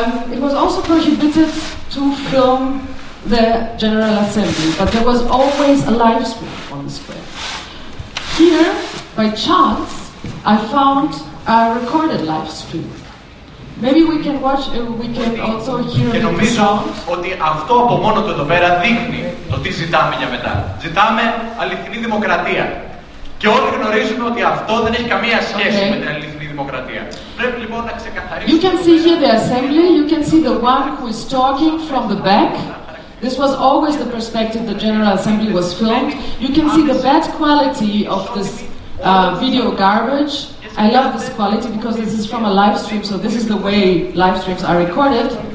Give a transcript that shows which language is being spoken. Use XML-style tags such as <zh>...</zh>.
<en>It was also prohibited to film the General Assembly, but there was always a live stream on the square. Here, by chance, I found a recorded live stream. Maybe we can watch, we can also hear the sound.</en> <el>Και νομίζω ότι αυτό από μόνο του εδώ πέρα δείχνει το τι ζητάμε για μετά. Ζητάμε αληθινή δημοκρατία. Και όλοι γνωρίζουμε ότι αυτό δεν έχει καμία σχέση με την αληθινή δημοκρατία. Πρέπει λοιπόν να ξεκαθαρίσουμε.</el> <en>You can see here the assembly, you can see the one who is talking from the back. This was always the perspective the General Assembly was filmed. You can see the bad quality of this video garbage. I love this quality because this is from a live stream, so this is the way live streams are recorded.</en>